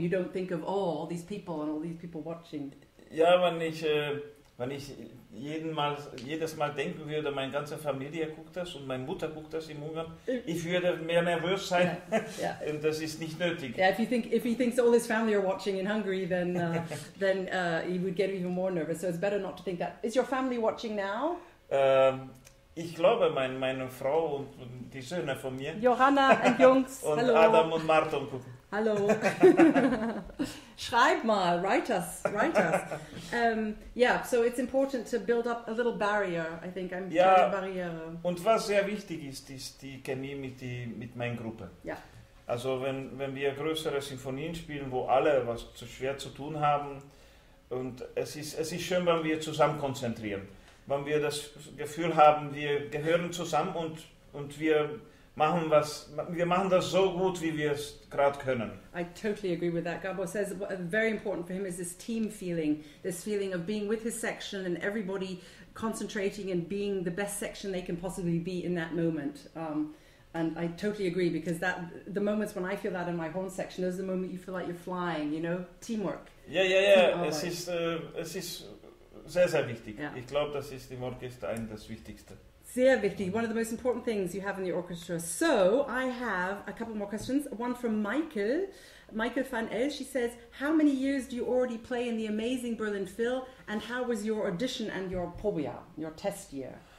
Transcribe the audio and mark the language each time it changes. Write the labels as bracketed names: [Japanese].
[English] You don't think of all these people and all these people watching. [German] Ja, wenn ich jedes Mal denken würde, meine ganze Familie guckt das und meine Mutter guckt das im Ungarn, ich würde mehr nervös sein. [English] Yeah, yeah. [German] Und das ist nicht nötig. [English] Yeah, if he thinks all his family are watching in Hungary, then he would get even more nervous. So it's better not to think that. Is your family watching now? [German] Ich glaube, meine Frau und die Söhne von mir. Johanna und Jungs, und hallo. Adam und Martin gucken. Hallo. Schreib mal, [English] write us. So it's important to build up a little barrier, I think. I'm [German] ja, [English] building a barrier. [German] Und was sehr wichtig ist, ist die Chemie mit meiner Gruppe. Ja. Also wenn wir größere Sinfonien spielen, wo alle was zu schwer zu tun haben, und es ist schön, wenn wir zusammen konzentrieren. Wenn wir das Gefühl haben, wir gehören zusammen und wir machen das so gut, wie wir es gerade können. [English] I totally agree with that. Gabor says very important for him is this team feeling, this feeling of being with his section and everybody concentrating and being the best section they can possibly be in that moment. And I totally agree, because that the moments when I feel that in my horn section, those are the moment you feel like you're flying, you know, teamwork. [German] Es ist sehr, sehr wichtig. [English] Yeah. [German] Ich glaube, das ist im Orchester das Wichtigste. Sehr wichtig, [English] one of the most important things you have in the orchestra. So, I have a couple more questions. One from Michael, Michael van El. She says, how many years do you already play in the amazing Berlin Phil, and how was your audition and your Probia, your test year?